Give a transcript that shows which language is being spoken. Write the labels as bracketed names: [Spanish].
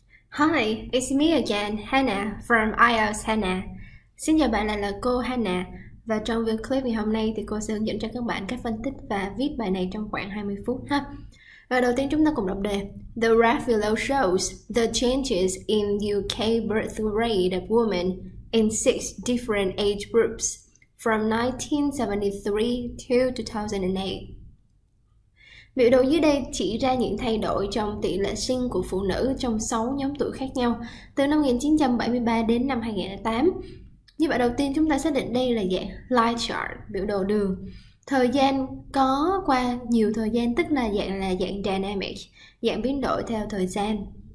[English] Hi, it's me again, Hannah from IELTS Hannah. [Vietnamese] Xin chào bạn, lại là cô Hannah. Và trong video clip ngày hôm nay thì cô sẽ hướng dẫn cho các bạn cách phân tích và viết bài này trong khoảng 20 phút ha. Và đầu tiên chúng ta cùng đọc đề. [English] The graph below shows the changes in UK birth rate of women in six different age groups from 1973 to 2008. [Vietnamese] Biểu đồ dưới đây chỉ ra những thay đổi trong tỷ lệ sinh của phụ nữ trong 6 nhóm tuổi khác nhau từ năm 1973 đến năm 2008. Như vậy, đầu tiên chúng ta xác định đây là dạng line chart, biểu đồ đường. Thời gian có qua nhiều thời gian, tức là dạng dynamic, dạng biến đổi theo thời gian.